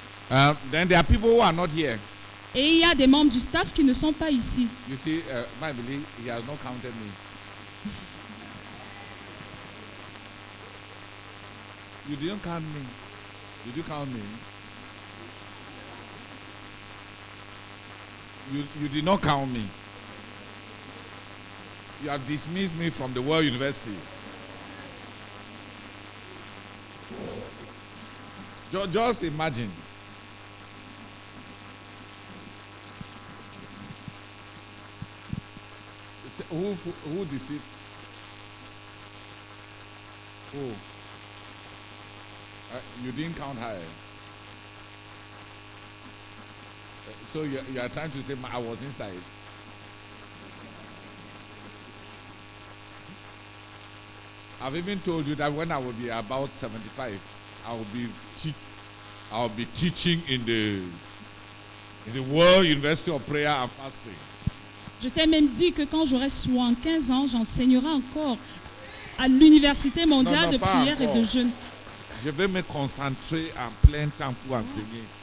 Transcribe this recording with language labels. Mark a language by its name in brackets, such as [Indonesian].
[English] Then there are people who are not here. [French] Et il y a des membres du staff qui ne sont pas ici. [English] You see, my belief, he has not counted me. You didn't count me. Did you count me? You did not count me. You have dismissed me from the World University. Just imagine. Who deceived? Who? You didn't count high. So you are trying to say I was inside. I've even told you that when I will be about 75, I'll be teaching in the World University of Prayer and Fasting. [French] Je t'ai même dit que quand j'aurai 75 ans, j'enseignerai encore à l'Université mondiale de prière et de jeûne. Je vais me concentrer en plein temps pour enseigner.